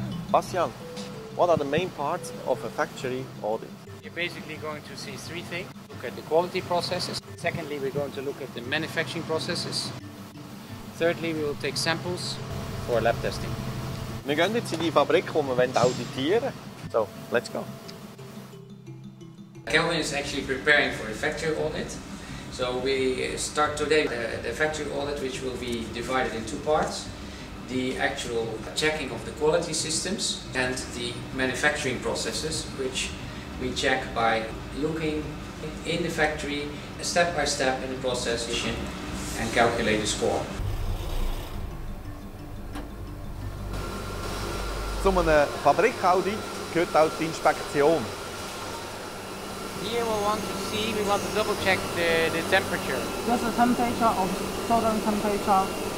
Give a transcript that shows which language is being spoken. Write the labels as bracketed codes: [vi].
[en] Bastian, what are the main parts of a factory audit? You're basically going to see three things. Look at the quality processes. Secondly, we're going to look at the manufacturing processes. Thirdly, we will take samples for lab testing. [de] Wir gehen jetzt in die Fabrik, wo wir auditieren. [en] So, let's go. Kelvin is actually preparing for the factory audit. So we start today the factory audit, which will be divided in two parts. The actual checking of the quality systems and the manufacturing processes, which we check by looking in the factory step by step in the process and calculate the score. [de] Zu einem Fabrikaudit gehört auch die Inspektion. [en] Here we want to see, we want to double check the temperature. What's the temperature of southern temperature?